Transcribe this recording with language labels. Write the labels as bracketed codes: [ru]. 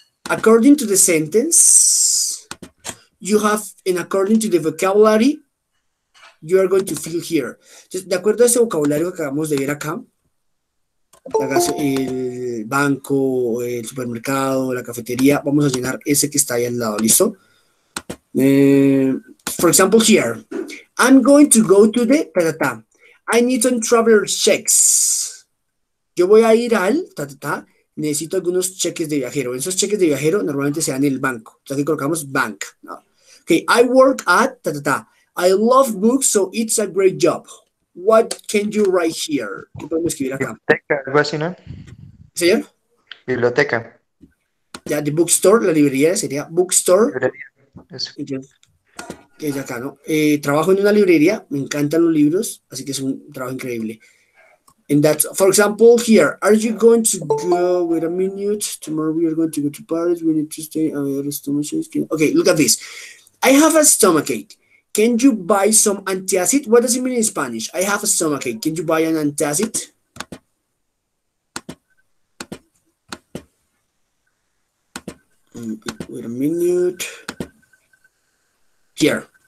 [en] According to the sentence, you have, and according to the vocabulary, you are going to fill here. [es] Entonces, de acuerdo a ese vocabulario que acabamos de ver acá, el banco, el supermercado, la cafetería, vamos a llenar ese que está ahí al lado, ¿listo? [en] For example, here. I'm going to go to the... Ta-ta-ta. I need some traveler checks. [es] Yo voy a ir al... [en] Ta-ta-ta. [es] Necesito algunos cheques de viajero. Esos cheques de viajero normalmente se dan en el banco. Entonces, aquí colocamos [en] bank. No. Okay, I work at... Ta-ta-ta. I love books, so it's a great job. What can you write here? [es] ¿Qué podemos escribir acá? Biblioteca, algo así, ¿no? ¿Señor? Biblioteca. Ya, [en] the bookstore, [es] la librería sería bookstore. Librería, eso. Que es acá, ¿no? Trabajo en una librería, me encantan los libros, así que es un trabajo increíble. [en] And that's, for example, here, are you going to go? Wait a minute. Tomorrow we are going to go to Paris. We need to stay. I have a stomach ache. Okay, look at this. I have a stomach ache. Can you buy some antacid? What does it mean in Spanish? I have a stomach ache. Can you buy an antacid? Wait a minute. Here.